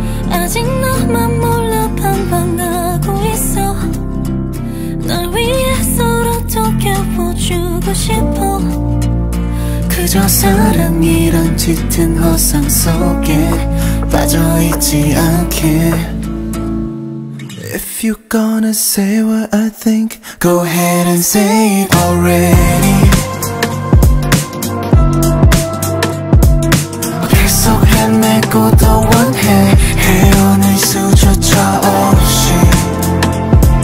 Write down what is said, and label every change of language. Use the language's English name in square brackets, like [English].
[Korean] 아직 너만 몰라 방황하고 있어. 널 위해서라도 지켜보주고 싶어. 그저 사랑이란 짙은 허상 속에 빠져있지 않게. [English] If you're gonna say what I think, go ahead and say it already. [Korean] 계속 헤매고 더 원해 헤어낼 수조차 없이.